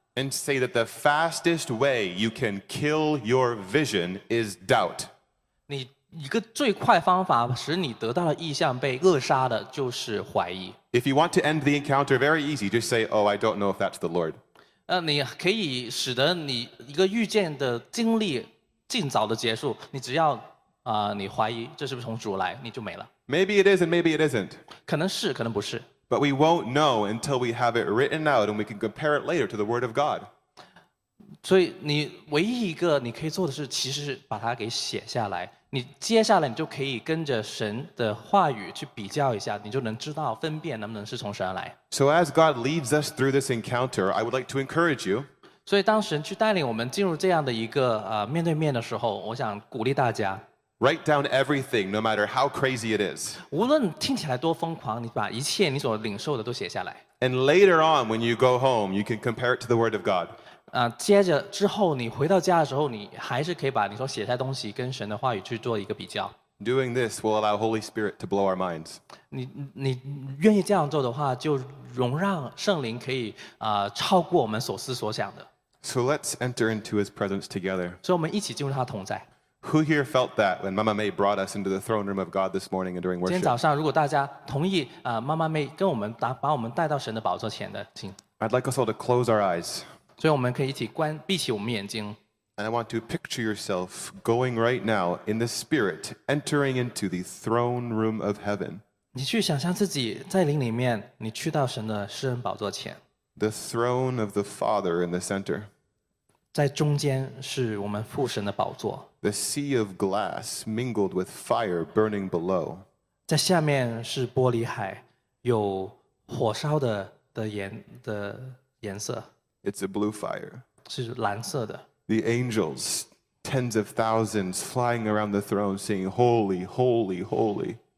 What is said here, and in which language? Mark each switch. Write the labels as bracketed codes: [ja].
[en] And say that the fastest way you can kill your vision is doubt. [zh] 你一个最快方法使你得到了意象被扼杀的就是怀疑。 [en] If you want to end the encounter, very easy. Just say, oh, I don't know if that's the Lord. [zh] 你可以使得你一个预见的经历尽早的结束，你只要你怀疑这是不是从主来，你就没了。 [en] Maybe it is and maybe it isn't. [zh] 可能是，可能不是。 [en] But we won't know until we have it written out and we can compare it later to the Word of God. [zh] 所以你唯一一个你可以做的是其实把它给写下来。你接下来你就可以跟着神的话语去比较一下，你就能知道分辨能不能是从神而来。 [en] So as God leads us through this encounter, I would like to encourage you. [zh] 所以当神去带领我们进入这样的一个面对面的时候，我想鼓励大家。 [en] Write down everything, no matter how crazy it is. [zh] 无论听起来多疯狂，你把一切你所领受的都写下来。 [en] And later on, when you go home, you can compare it to the Word of God. [zh] 接着之后你回到家的时候，你还是可以把你所写下的东西跟神的话语去做一个比较。 [en] Doing this will allow Holy Spirit to blow our minds. [zh] 你愿意这样做的话，就容让圣灵可以超过我们所思所想的。 [en] So let's enter into his presence together. [zh] 所以我们一起进入他的同在。 [en] Who here felt that when Mama May brought us into the throne room of God this morning and during worship? [zh] 今天早上如果大家同意Mama May跟我们把我们带到神的宝座前的，请。 [en] I'd like us all to close our eyes. [zh] 所以我们可以一起关闭起我们眼睛。 [en] And I want to picture yourself going right now in the spirit, entering into the throne room of heaven. [zh] 你去想象自己在灵里面，你去到神的施恩宝座前。 [en] The throne of the Father in the center. [zh] 在中间是我们父神的宝座。 [en] The sea of glass mingled with fire burning below. [zh] 在下面是玻璃海，有火烧的颜色。 [en] It's a blue fire. [zh] 是蓝色的。 [en] The angels, tens of thousands flying around the throne saying, Holy, holy, holy.